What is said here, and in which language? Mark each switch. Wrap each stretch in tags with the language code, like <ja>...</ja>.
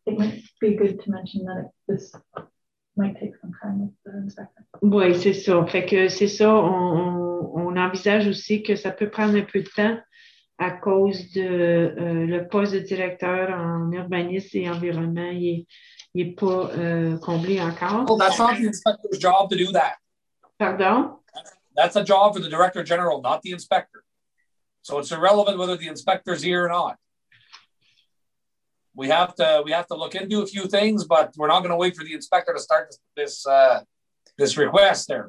<en>It might be good to mention that this might take some time.</en> <fr>Oui, c'est ça. Fait que c'est ça. On envisage aussi que ça peut prendre un peu de temps à cause de le poste de directeur en urbanisme et environnement. Il est pas comblé encore.</fr> <en>Well, that's not the inspector's job to do that. Pardon? That's a job for the director general, not the inspector. So it's irrelevant whether the inspector's here or not. We have to look into a few things, but we're not going to wait for the inspector to start this request there.</en>